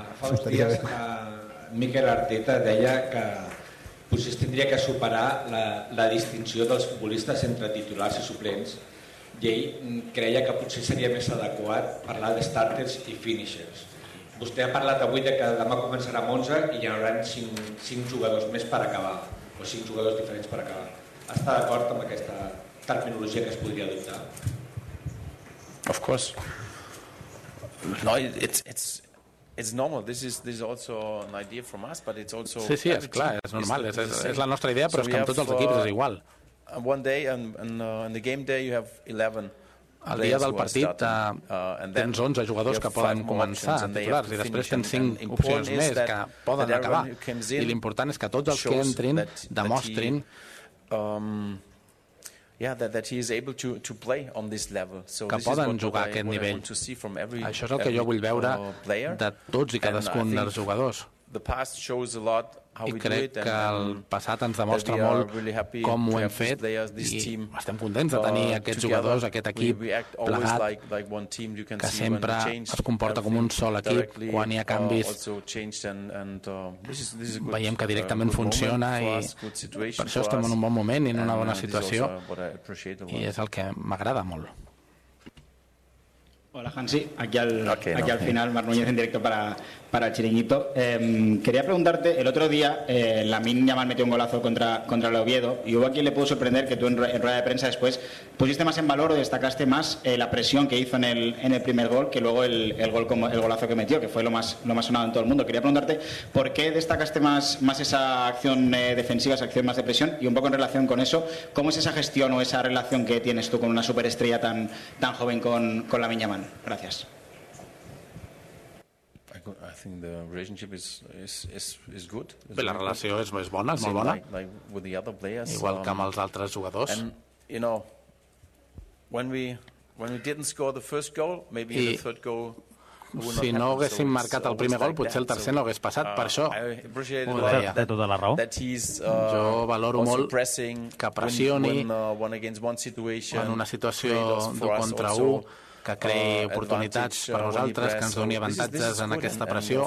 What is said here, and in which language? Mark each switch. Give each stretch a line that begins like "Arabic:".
Catalan: Fa uns dies Miquel Arteta deia que potser tindria que superar la distinció dels futbolistes entre titulars i suplents, i ell creia que potser seria més adequat parlar de starters i finishers. Vostè ha parlat avui de que demà començarà amb 11 i hi haurà 5 jugadors més per acabar, o 5 jugadors diferents per acabar. Està d'acord amb aquesta terminologia que es podria adoptar?
English: Of course. No, it's normal. This is also an idea from us, but it's also...
Catalan: Sí, sí, és clar, és normal. És la nostra idea, però és que amb tots els equips és igual.
English: One day and the game day you have 11.
Catalan: El dia del partit tens 11 jugadors que poden començar titulars i després tens 5 opcions més que poden acabar. I l'important és que tots els que entrin demostrin
English: that he is able to play on this level. So
Catalan: que poden jugar a aquest nivell. Això és el que jo vull veure de tots i cadascun dels jugadors.
English: The past shows a lot
Catalan: i crec que el passat ens demostra molt com ho hem fet i estem contents de tenir aquests jugadors, aquest equip plegat, que sempre es comporta com un sol equip quan hi ha canvis. Veiem que directament funciona i per això estem en un bon moment i en una bona situació i és el que m'agrada molt.
Spanish: Hola, Hansi. Aquí al final, Marc Núñez, en directo para el Chiringuito. Quería preguntarte, el otro día Lamine Yamal metió un golazo contra el Oviedo y hubo a quien le pudo sorprender que tú en rueda de prensa después pusiste más en valor o destacaste más la presión que hizo en el primer gol que luego el golazo que metió, que fue lo más sonado en todo el mundo. Quería preguntarte por qué destacaste más esa acción defensiva, esa acción más de presión, y un poco en relación con eso, ¿cómo es esa gestión o esa relación que tienes tú con una superestrella tan, tan joven con Lamine Yamal? Gracias.
English: I think the relationship is good.
Catalan: La relació és bona, és molt bona.
English: With the other players,
Catalan: igual que amb els altres jugadors.
English: And, you know, when we didn't score the first goal, maybe the third goal would not happen.
Catalan: Si no haguéssim marcat el primer gol, potser el tercer no hagués passat, per això. De tota la raó. Jo valoro molt que pressioni en una situació de contra un, que creï oportunitats per a nosaltres, que ens doni avantatges en aquesta pressió.